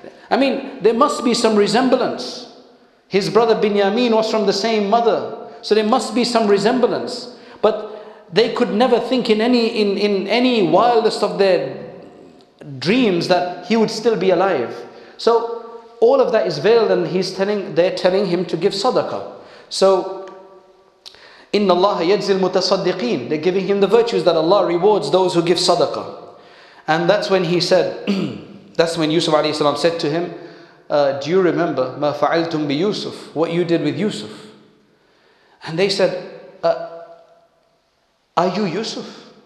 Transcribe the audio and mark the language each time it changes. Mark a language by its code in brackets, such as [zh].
[en] I mean, there must be some resemblance. His brother Binyamin was from the same mother, so there must be some resemblance. But they could never think in any wildest of their dreams that he would still be alive. So all of that is veiled, and they're telling him to give sadaqah. So [ar] إن الله يجزي المتصدقين. [en] They're giving him the virtues that Allah rewards those who give sadaqah. And that's when he said, that's when Yusuf alayhi salam said to him, do you remember [ar] ما فعلتم بيوسف, [en] what you did with Yusuf? And they said, are you Yusuf?